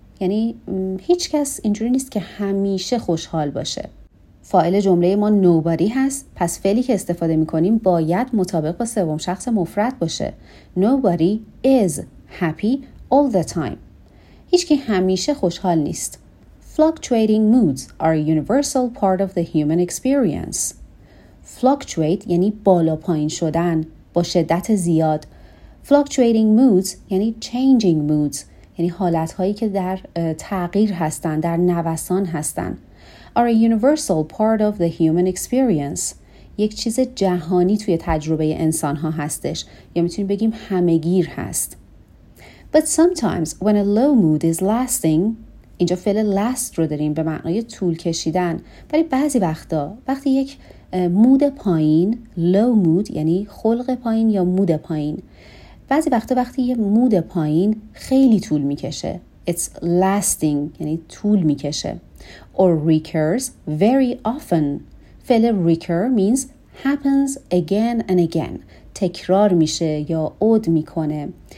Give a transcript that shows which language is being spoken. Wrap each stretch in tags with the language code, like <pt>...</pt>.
<fa>یعنی هیچ کس اینجوری نیست که همیشه خوشحال باشه. فاعل جمله ما nobody هست، پس فعلی که استفاده می‌کنیم باید مطابق با سوم شخص مفرد باشه.</fa> <en>Nobody is happy all the time.</en> <fa>هیچ کی همیشه خوشحال نیست.</fa> <en>Fluctuating moods are a universal part of the human experience.</en> <fa>Fluctuate یعنی بالا پایین شدن با شدت زیاد. Fluctuating moods یعنی changing moods، یعنی حالت هایی که در تغییر هستند، در نوسان هستند.</fa> <en>Are a universal part of the human experience.</en> <fa>یک چیز جهانی توی تجربه انسان ها هستش، یا میتونیم بگیم همه گیر هست.</fa> <en>But sometimes when a low mood is lasting،</en> <fa>اینجا فعل last رو داریم به معنای طول کشیدن، ولی بعضی وقتا وقتی یک مود پایین، low mood یعنی خلق پایین یا مود پایین، بعضی وقتا وقتی یه مود پایین خیلی طول میکشه،</fa> <en>it's lasting</en> <fa>یعنی طول میکشه،</fa> <en>or recurs very often،</en> <fa>فعل recur</fa> <en>means happens again and again،</en> <fa>تکرار میشه یا عود میکنه.</fa>